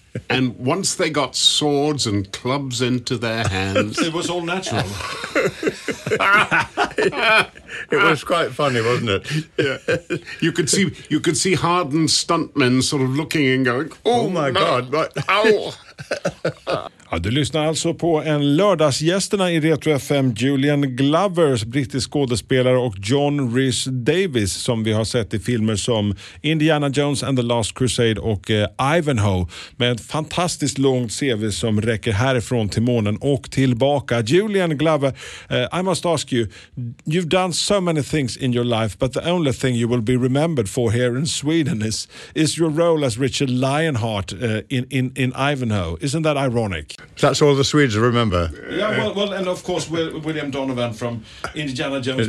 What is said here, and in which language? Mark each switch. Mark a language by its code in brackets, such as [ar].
[en] And once they got swords and clubs into their hands... It was all natural. It was quite funny, wasn't it? Yeah. You could see hardened stuntmen sort of looking and going, Oh my God, but ow! [sv] Ja, du lyssnar alltså på en lördagsgästerna i Retro FM, Julian Glovers, brittisk skådespelare, och John Rhys-Davies som vi har sett i filmer som Indiana Jones and the Last Crusade och Ivanhoe, med ett fantastiskt långt CV som räcker härifrån till månen och tillbaka. [en] Julian Glover, I must ask you, you've done so many things in your life, but the only thing you will be remembered for here in Sweden is your role as Richard Lionheart in Ivanhoe. Isn't that ironic? That's all the Swedes remember. Yeah, well, and of course William Donovan from Indiana Jones.